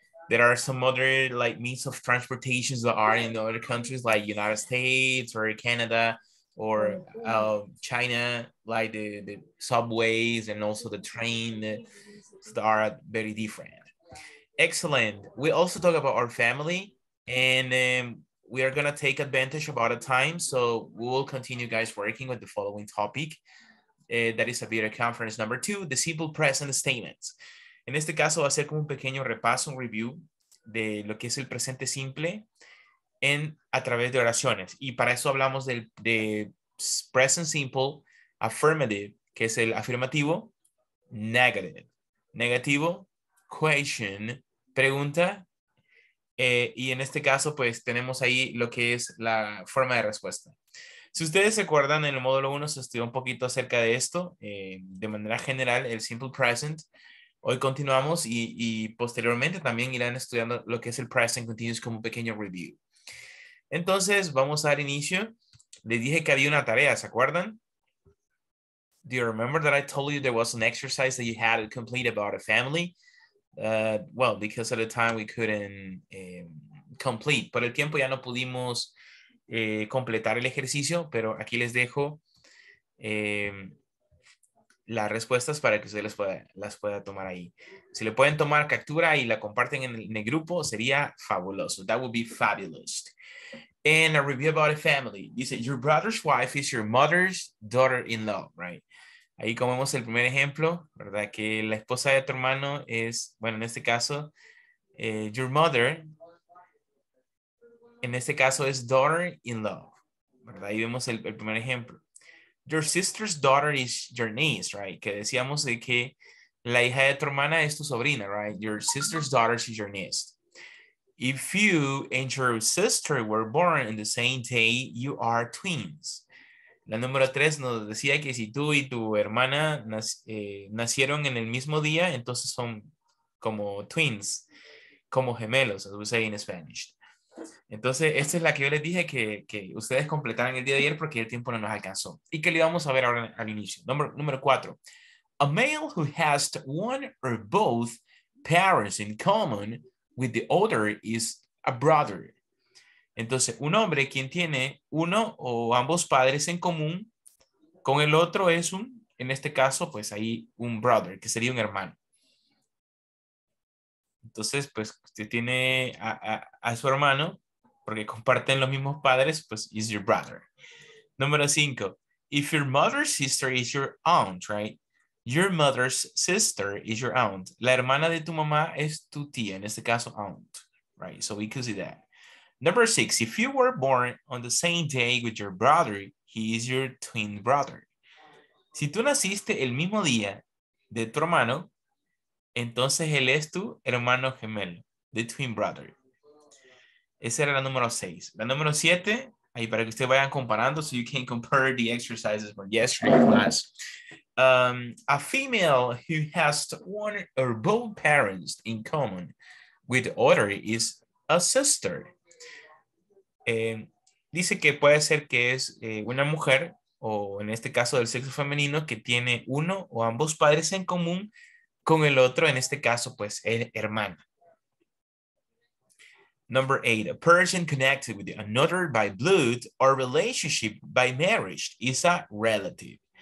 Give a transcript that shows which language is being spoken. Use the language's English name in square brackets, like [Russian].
[English] There are some other like means of transportation that are in other countries like United States or Canada or China, like the subways and also the train that are very different. Excellent. We also talk about our family and we are gonna take advantage of our time. So we will continue guys working with the following topic. that is a video conference. Number two, the simple present statements. [Spanish] En este caso va a ser como un pequeño repaso, un review de lo que es el presente simple en, a través de oraciones. Y para eso hablamos del, de present simple, affirmative, que es el afirmativo, negative. Negativo, question, pregunta. Y en este caso, pues, tenemos ahí lo que es la forma de respuesta. Si ustedes se acuerdan, en el módulo 1 se estudió un poquito acerca de esto, de manera general, el simple present. Hoy continuamos y posteriormente también irán estudiando lo que es el present continuous como un pequeño review. Entonces, vamos a dar inicio. Les dije que había una tarea, ¿se acuerdan? [English] Do you remember that I told you there was an exercise that you had to complete about a family? Well, because at the time we couldn't complete. [Spanish] Por el tiempo ya no pudimos completar el ejercicio, pero aquí les dejo las respuestas para que ustedes las pueda tomar ahí. Si le pueden tomar captura y la comparten en el grupo, sería fabuloso. [English] That would be fabulous. In a review about a family, you said your brother's wife is your mother's daughter-in-law, right? [Spanish] Ahí como vemos el primer ejemplo, ¿verdad? Que la esposa de tu hermano es, bueno, en este caso, [English] your mother, [Spanish] en este caso es daughter-in-law, ¿verdad? Ahí vemos el primer ejemplo. [English] Your sister's daughter is your niece, right? [Spanish] Que decíamos de que la hija de tu hermana es tu sobrina, right? [English] Your sister's daughter is your niece. If you and your sister were born in the same day, you are twins. [Spanish] La número tres nos decía que si tú y tu hermana nacieron en el mismo día, entonces son como twins, como gemelos, [English] as we say in Spanish. [Spanish] Entonces, esta es la que yo les dije que ustedes completaran el día de ayer porque el tiempo no nos alcanzó. Y que le vamos a ver ahora al inicio. Número cuatro. [English] A male who has one or both parents in common with the other is a brother. [Spanish] Entonces, un hombre quien tiene uno o ambos padres en común con el otro es un, en este caso, pues ahí un brother, que sería un hermano. Entonces, pues, usted tiene a su hermano, porque comparten los mismos padres, pues, [English] is your brother. [Spanish] Número cinco. [English] If your mother's sister is your aunt, right? Your mother's sister is your aunt. [Spanish] La hermana de tu mamá es tu tía, en este caso, aunt. [English] Right? So we could see that. Number six, if you were born on the same day with your brother, he is your twin brother. [Spanish] Si tú naciste el mismo día de tu hermano, entonces él es tu hermano gemelo, [English] the twin brother. [Spanish] Esa era la número seis. La número siete, ahí para que ustedes vayan comparando, [English] so you can compare the exercises from yesterday's class. A female who has one or both parents in common with the other is a sister. [Spanish] Dice que puede ser que es una mujer o en este caso del sexo femenino que tiene uno o ambos padres en común con el otro, en este caso pues el hermano. [English] Number eight, a person connected with another by blood or relationship by marriage is a relative.